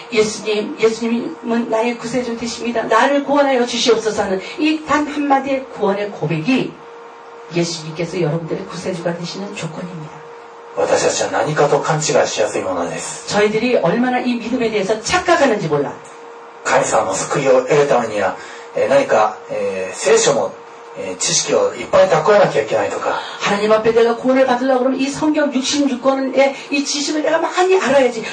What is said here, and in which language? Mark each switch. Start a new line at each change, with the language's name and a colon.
Korean: 예수님은 나의 구세주 되십니다. 나를 구원하여 주시옵소서는 이 단 한마디의 구원의 고백이 예수님께서 여러분들의 구세주가 되시는 조건입니다.
Japanese: 私たちは何かと勘違いしやすいものです。
Korean: 저희들이 얼마나 이 믿음에 대해서 착각하는지 몰라.
Japanese: 神様の救いを得るためには、何か聖書の知識をいっぱい蓄えなきゃいけないとか。
Korean: 하나님 앞에 내가 구원을 받으려고 그러면 이 성경 66권의 이 지식을 내가 많이 알아야지.